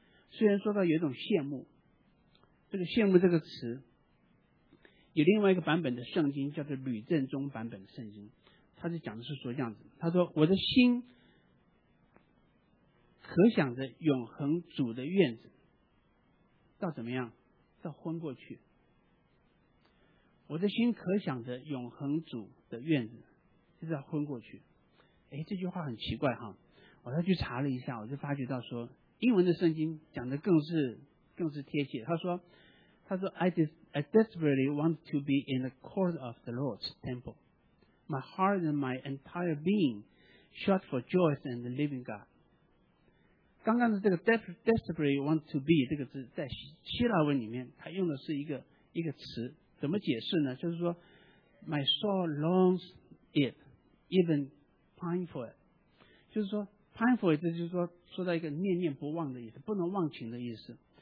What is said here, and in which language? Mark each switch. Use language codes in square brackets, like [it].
[zh] 虽然说到有一种羡慕，这个羡慕这个词有另外一个版本的圣经叫做吕正中版本的圣经，他是讲的是说这样子，他说我的心可想着永恒主的院子，到怎么样，到昏过去。我的心可想着永恒主的院子，就是要昏过去。哎，这句话很奇怪哈，我再去查了一下，我就发觉到说英文的圣经讲的更是贴切。他说 [en] I desperately want to be in the court of the Lord's temple. My heart and my entire being shout for joy and the living God. [zh] 刚刚的这个 desperately want to be 这个字在希腊文里面它用的是一个词，怎么解释呢，就是说 [en] my soul longs it even pine for it， [zh] 就是说 [en] pine for it [zh] 就是说到一个念念不忘的意思，不能忘情的意思。